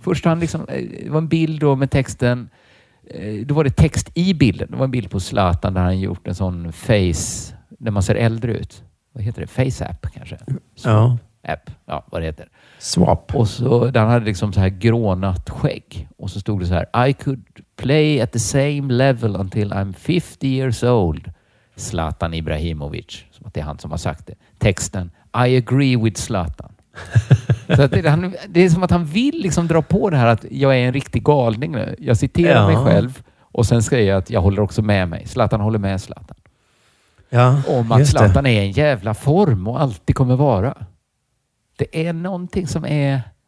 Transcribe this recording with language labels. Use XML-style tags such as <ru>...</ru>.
<sv>Först han liksom, det var en bild då med texten. Då var det text i bilden. Det var en bild på Zlatan där han gjort en sån face, där man ser äldre ut. Vad heter det? Face app kanske? Ja. App, ja, vad det heter.</sv> <en>Swap.</en> <sv>Och så, den hade liksom så här grånat skägg. Och så stod det så här,</sv> <en>I could play at the same level until I'm 50 years old. Zlatan Ibrahimovic.</en> <sv>Som att det är han som har sagt det. Texten,</sv> <en>I agree with Zlatan.</en> <sv>Så att det är som att han vill liksom dra på det här att jag är en riktig galning nu. Jag citerar mig själv. Och sen säger jag att jag håller också med mig. Zlatan håller med Zlatan. Ja, om att Zlatan är en jävla form och alltid kommer vara. Det är någonting som är...</sv>